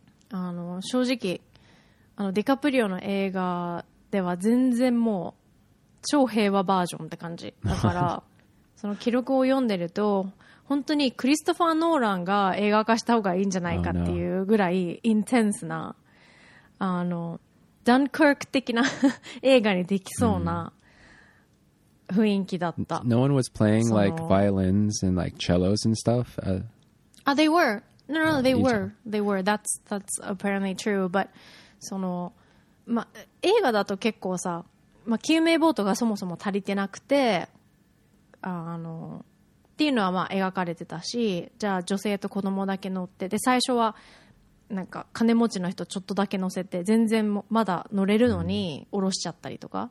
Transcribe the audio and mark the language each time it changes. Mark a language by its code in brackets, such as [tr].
[ja] うん、正直あのディカプリオの映画では全然もう超平和バージョンって感じだからその記録を読んでると本当にクリストファー・ノーランが映画化した方がいいんじゃないかっていうぐらいインテンスなあのダンクーク的な映画にできそうな、うん雰囲気だった。 [en] No one was playing like violins and like cellos and stuff. They were. No, they were. That's apparently true. [ja] But その、ま、映画だと結構さ、ま、救命ボートがそもそも足りてなくて、あのっていうのはま描かれてたし、じゃあ女性と子供だけ乗って、で最初はなんか金持ちの人ちょっとだけ乗せて、全然まだ乗れるのに降ろしちゃったりとか。